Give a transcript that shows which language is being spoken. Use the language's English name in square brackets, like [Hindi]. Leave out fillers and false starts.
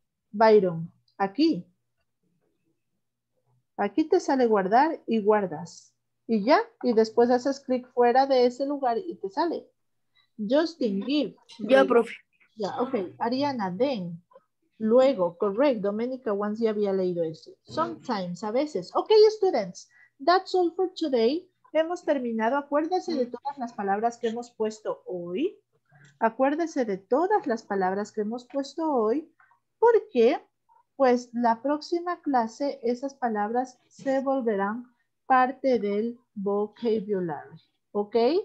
[Spanish] Byron, aquí te sale guardar y guardas y ya, y después haces clic fuera de ese lugar y te sale. [English] Justin, give. [Spanish] Ya, profe. Ya, ok. Ariana, then. Luego, correct. Domenica, once, ya había leído eso. Sometimes, a veces. [English] Ok, students, that's all for today. [Spanish] Hemos terminado. Acuérdense de todas las palabras que hemos puesto hoy. Acuérdense de todas las palabras que hemos puesto hoy. Porque, pues, la próxima clase, esas palabras se volverán parte del vocabulary. ¿Ok?